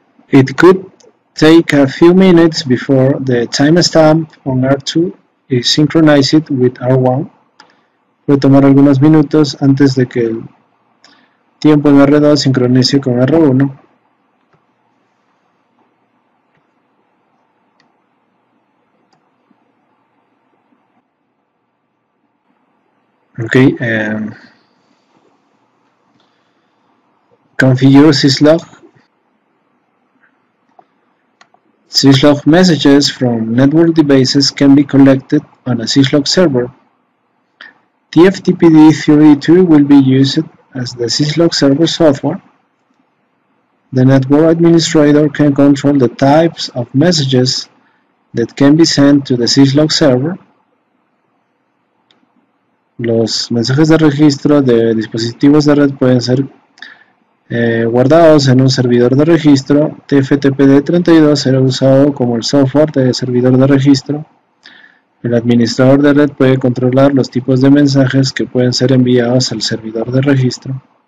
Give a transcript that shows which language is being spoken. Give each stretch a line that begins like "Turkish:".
English: It could take a few minutes before the timestamp on R2 is synchronized with R1.
Spanish: Puede tomar algunos minutos antes de que el tiempo en R2 sincronice con R1.
English: Okay, configure syslog. Syslog messages from network devices can be collected on a syslog server. TFTPD32 will be used as the syslog server software. The network administrator can control the types of messages that can be sent to the syslog server.
Spanish: Los mensajes de registro de dispositivos de red pueden ser guardados en un servidor de registro. TFTPD32 será usado como el software de servidor de registro. El administrador de red puede controlar los tipos de mensajes que pueden ser enviados al servidor de registro.